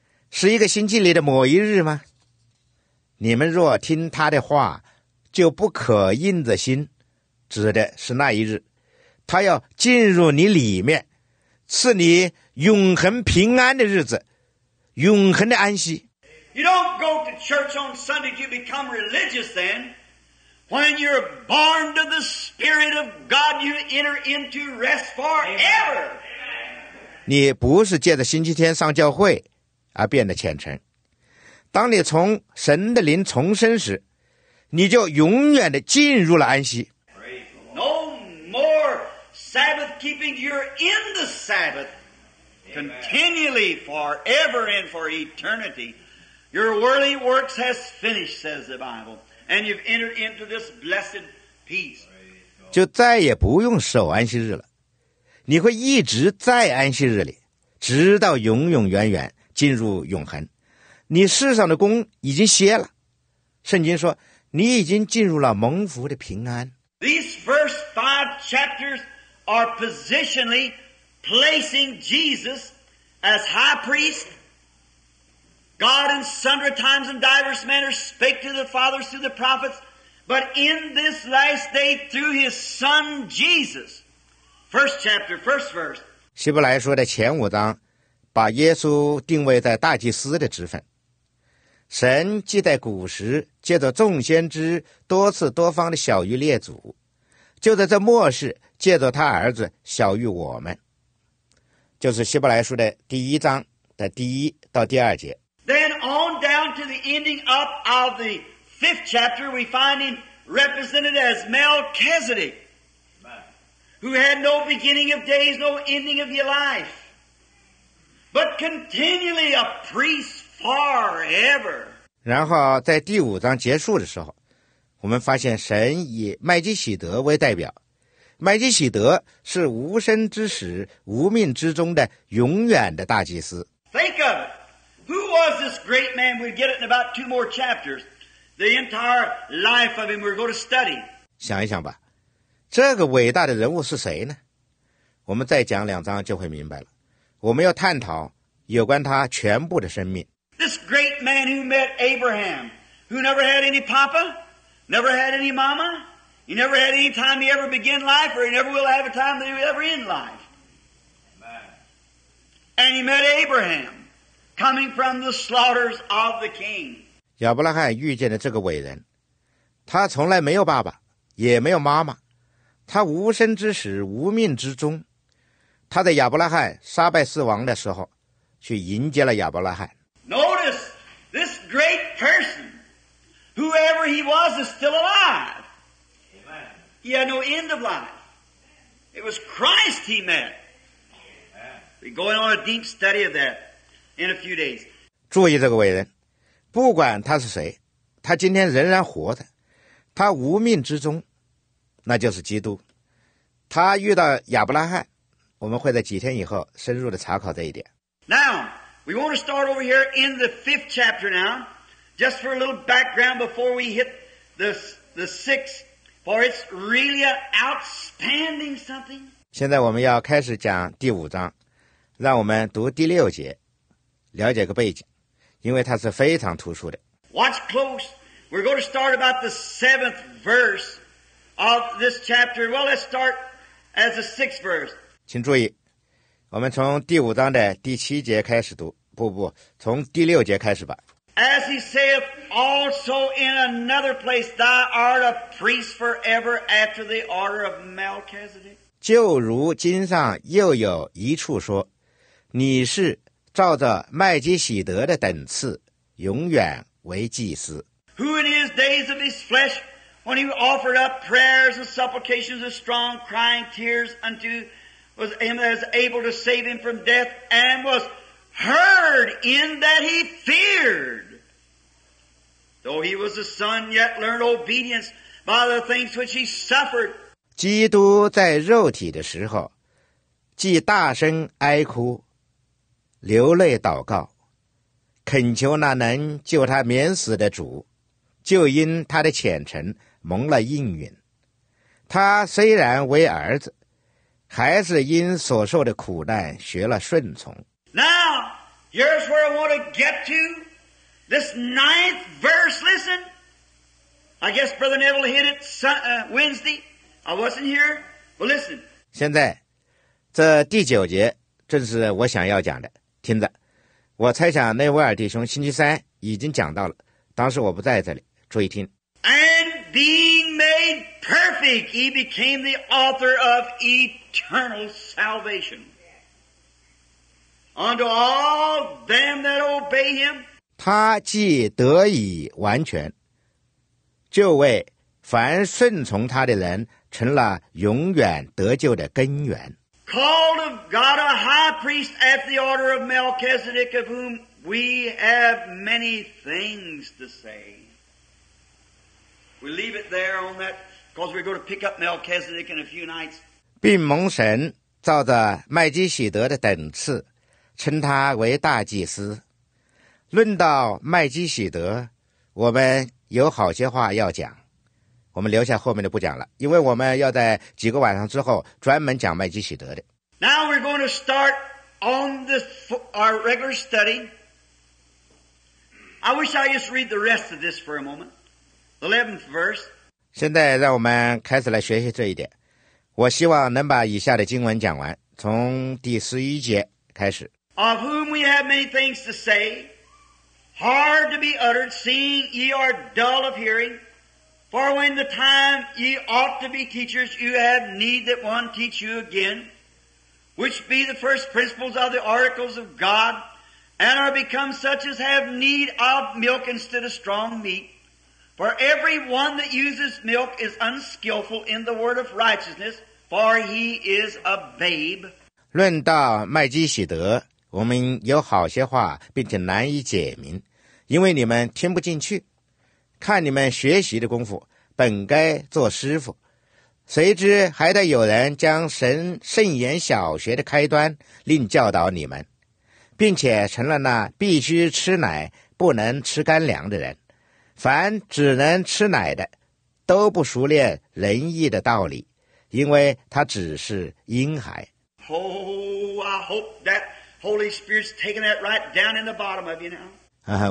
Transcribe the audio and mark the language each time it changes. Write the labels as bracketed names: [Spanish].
[Chinese] 是一个星期里的某一日吗？你们若听他的话，就不可硬着心，指的是那一日。他要进入你里面，赐你永恒平安的日子，永恒的安息。 [English] You don't go to church on Sunday, you become religious then. When you're born to the Spirit of God, you enter into rest forever. [Chinese] 你不是借着星期天上教会而变得虔诚。当你从神的灵重生时，你就永远的进入了安息。 [English] No more Sabbath keeping, you're in the Sabbath. Continually, forever and for eternity. Your worldly works has finished, says the Bible. And you've entered into this blessed peace. [Chinese] 就再也不用守安息日了。你会一直在安息日里，直到永永远远进入永恒。你世上的功已经歇了。圣经说，你已经进入了蒙福的平安。 [English] These first five chapters are positionally placing Jesus as high priest. God in sundry times and diverse manners spake to the fathers through the prophets, but in this last day through his son Jesus. First chapter, first verse. [Chinese] 希伯来书的前五章把耶稣定位在大祭司的职分。神既在古时借着众先知多次多方的晓谕列祖，就在这末世借着他儿子晓谕我们，就是希伯来书的第一章的第一到第二节。 [English] Then on down to the ending up of the fifth chapter, we find him represented as Melchizedek, who had no beginning of days, no ending of your life, but continually a priest forever. [Chinese] 然后在第五章结束的时候，我们发现神以麦基洗德为代表。麦基洗德是无生之始、无命之中的永远的大祭司。 [English] Think of it. Who was this great man? We'll get it in about two more chapters. The entire life of him we're going to study. [Chinese] 想一想吧，这个伟大的人物是谁呢？我们再讲两章就会明白了。我们要探讨有关他全部的生命。 [English] This great man who met Abraham, who never had any papa, never had any mama,He never had any time he ever began life, or he never will have a time that he will ever end life. Amen. And he met Abraham, coming from the slaughters of the king. [Chinese] 亚伯拉罕遇见的这个伟人，他从来没有爸爸，也没有妈妈，他无生之时，无命之中，他在亚伯拉罕杀败四王的时候，去迎接了亚伯拉罕。 [English] Notice this great person, whoever he was, is still alive. Amen. He had no end of life. It was Christ he met. We're going on a deep study of that in a few days. [Chinese] 注意这个伟人，不管他是谁，他今天仍然活着，他无命之中，那就是基督。他遇到亚伯拉罕，我们会在几天以后深入的查考这一点。 [English] Now, we want to start over here in the fifth chapter now, just for a little background before we hit the sixth, for it's really an outstanding something. [Chinese] 现在我们要开始讲第五章，让我们读第六节，了解个背景，因为它是非常突出的。 [English] Watch close. We're going to start about the seventh verse of this chapter. Well, let's start as the sixth verse. [Chinese] 请注意，我们从第五章的第七节开始读，从第六节开始吧。 [English] As he saith also in another place, thou art a priest forever after the order of Melchizedek. [Chinese] 就如经上又有一处说，你是照着麦基洗德的等次，永远为祭司。 [English] Who in his days of his flesh, when he offered up prayers and supplications and strong crying tears unto was him as able to save him from death, and was heard in that he feared. Though he was a son, yet learned obedience by the things which he suffered. [Chinese] 基督在肉体的时候，既大声哀哭，流泪祷告，恳求那能救他免死的主，就因他的虔诚蒙了应允。他虽然为儿子，还是因所受的苦难学了顺从。 [English] Now, here's where I want to get to. This ninth verse, listen. I guess Brother Neville hit it Wednesday. I wasn't here, but listen. [Chinese] 现在这第九节正是我想要讲的，听着。我猜想内维尔弟兄星期三已经讲到了，当时我不在这里，注意听。 [English] And being made perfect, he became the author of eternal salvation unto all them that obey him. [Chinese] 他既得以完全，就为凡顺从他的人成了永远得救的根源。 [English] Called of God a high priest at the order of Melchizedek, of whom we have many things to say. We'll leave it there on that, because we're going to pick up Melchizedek in a few nights. [Chinese] 并蒙神照着麦基洗德的等次，称他为大祭司。论到麦基洗德，我们有好些话要讲。我们留下后面的不讲了，因为我们要在几个晚上之后专门讲麦基洗德的。 [English] Now we're going to start on this our regular study. I wish I just read the rest of this for a moment. The 11th verse. [Chinese] 现在让我们开始来学习这一点。我希望能把以下的经文讲完，从第十一节开始。 [English] Of whom we have many things to say, hard to be uttered, seeing ye are dull of hearing. For when the time ye ought to be teachers, you have need that one teach you again, which be the first principles of the oracles of God, and are become such as have need of milk instead of strong meat. For every one that uses milk is unskillful in the word of righteousness, for he is a babe. [Chinese] 论到麦基洗德，我们有好些话，并且难以解明，因为你们听不进去。看你们学习的功夫，本该做师傅，谁知还得有人将神圣言小学的开端另教导你们，并且成了那必须吃奶不能吃干粮的人。凡只能吃奶的，都不熟练仁义的道理，因为他只是婴孩。 [English] Oh, I hope that Holy Spirit's taking that right down in the bottom of you now.